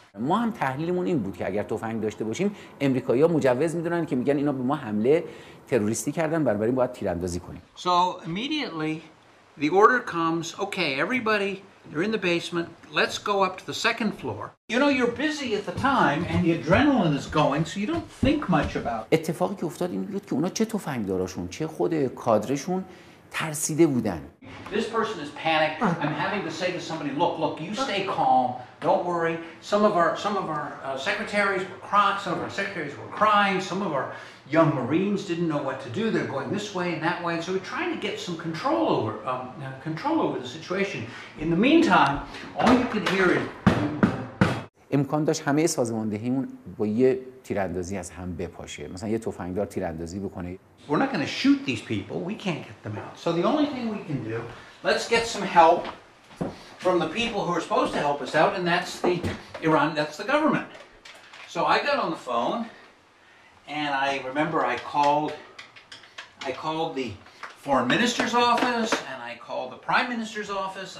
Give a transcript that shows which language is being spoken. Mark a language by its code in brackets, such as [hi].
[fa] ما هم تحلیلمون این بود که اگر تفنگ داشته باشیم امریکایی‌ها مجوز میدونن که میگن اینا به ما حمله تروریستی کردن بنابراین باید تیراندازی کنیم. [en] So immediately the order comes, okay, everybody, you're in the basement, let's go up to the second floor. You know you're busy at the time and the adrenaline is going so you don't think much about. اتفاقی که افتاد این بود که اونا چه تفنگداراشون چه خود کادرشون ترسیده بودن. This person is panicked. I'm having to say to somebody, look, you stay calm. Don't worry. Some of our secretaries were crying. Some of our young Marines didn't know what to do. They're going this way and that way. And so we're trying to get some control over the situation. In the meantime, all you could hear is. [fa] امکان داشت همه سازماندهیمون با یه تیراندازی از هم بپاشه، مثلا یه تفنگدار تیراندازی بکنه. [en] We're not going to shoot these people. We can't get them out. So the only thing we can do, let's get some help from the people who are supposed to help us out, and that's the Iran, that's the government. So I got on the phone, and I remember I called the foreign minister's office, and I called the prime minister's office.